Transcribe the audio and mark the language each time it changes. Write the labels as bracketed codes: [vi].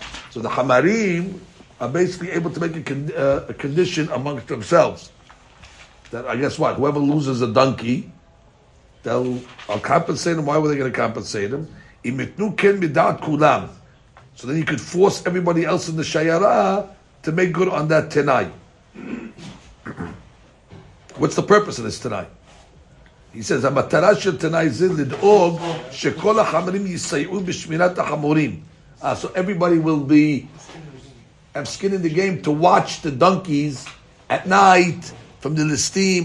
[en] So the hamarim are basically able to make a condition amongst themselves. That, I guess what? Whoever loses a donkey, I'll compensate him. Why were they going to compensate him? [he] Im itnu ken midat kulam. [en] So then you could force everybody else in the shayara to make good on that tenai. What's the purpose of this tenai? He says, [he] המטרה של תנאי זה לדאוג שכל החמרים יסייעו בשמירת החמורים. [en] So everybody will be have skin in the game to watch the donkeys at night from the listim.